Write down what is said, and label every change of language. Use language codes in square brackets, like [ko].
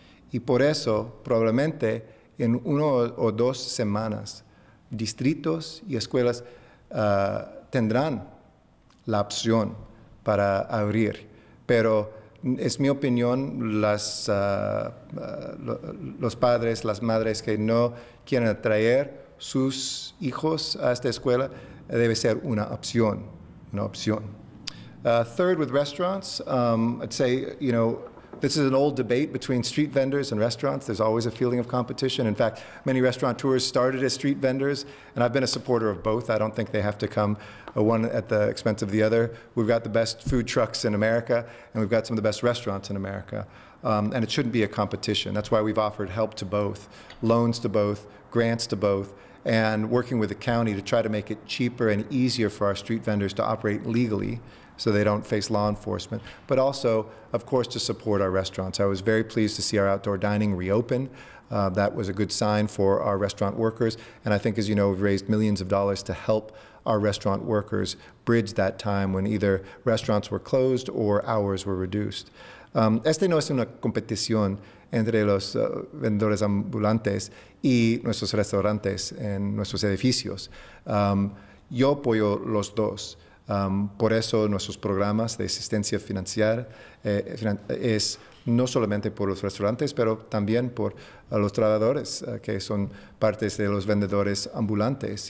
[es] Y por eso, probablemente, en uno o dos semanas, distritos y escuelas tendrán la opción para abrir. Pero es mi opinión, los padres, las madres que no quieren traer sus hijos a esta escuela, debe ser una opción, una opción. [en] Third, with restaurants, I'd say, you know, this is an old debate between street vendors and restaurants. There's always a feeling of competition. In fact, many restaurateurs started as street vendors, and I've been a supporter of both. I don't think they have to come one at the expense of the other. We've got the best food trucks in America, and we've got some of the best restaurants in America. And it shouldn't be a competition. That's why we've offered help to both, loans to both, grants to both, and working with the county to try to make it cheaper and easier for our street vendors to operate legally so they don't face law enforcement, but also, of course, to support our restaurants. I was very pleased to see our outdoor dining reopen. That was a good sign for our restaurant workers. And I think, as you know, we've raised millions of dollars to help our restaurant workers bridge that time when either restaurants were closed or hours were reduced. [es] Este no es una competición entre los vendedores ambulantes y nuestros restaurantes en nuestros edificios. Yo apoyo los dos. Por eso nuestros programas de asistencia financiera es no solamente por los restaurantes, pero también por los trabajadores que son partes de los vendedores ambulantes.